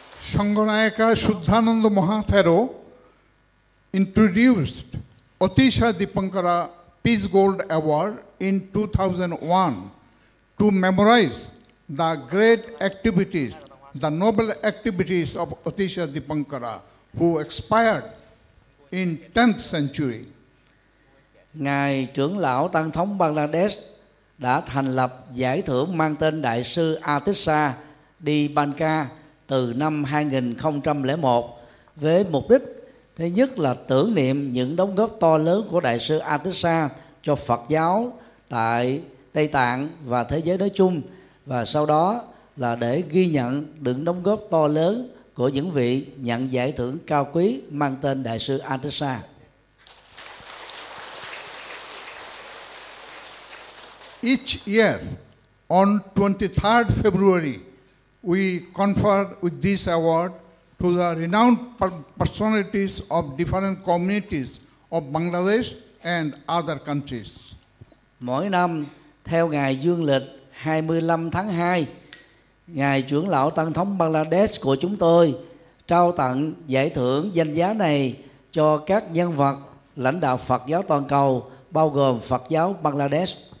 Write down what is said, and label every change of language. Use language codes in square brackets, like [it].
[en] Sanganayaka Shuddhananda Mahathero introduced Atisha Dipankara Peace Gold Award in 2001 to memorize the great activities, the noble activities of Atisha Dipankara, who expired in 10th century. [vi] Ngài Trưởng Lão Tăng Thống Bangladesh đã thành lập giải thưởng mang tên Đại sư Atisha Dipankara từ năm 2001 với mục đích thứ nhất là tưởng niệm những đóng góp to lớn của Đại sư Atisha cho Phật giáo tại Tây Tạng và thế giới nói chung, và sau đó là để ghi nhận những đóng góp to lớn của những vị nhận giải thưởng cao quý mang tên Đại sư Atisha. [en] Each year, on 23rd February, we confer with this award to the renowned personalities of different communities of Bangladesh and other countries. [vi] Mỗi năm, theo ngày dương lịch 25 tháng 2, Ngài Trưởng Lão Tăng Thống Bangladesh của chúng tôi trao tặng giải thưởng danh giá này cho các nhân vật lãnh đạo Phật giáo toàn cầu, bao gồm Phật giáo Bangladesh.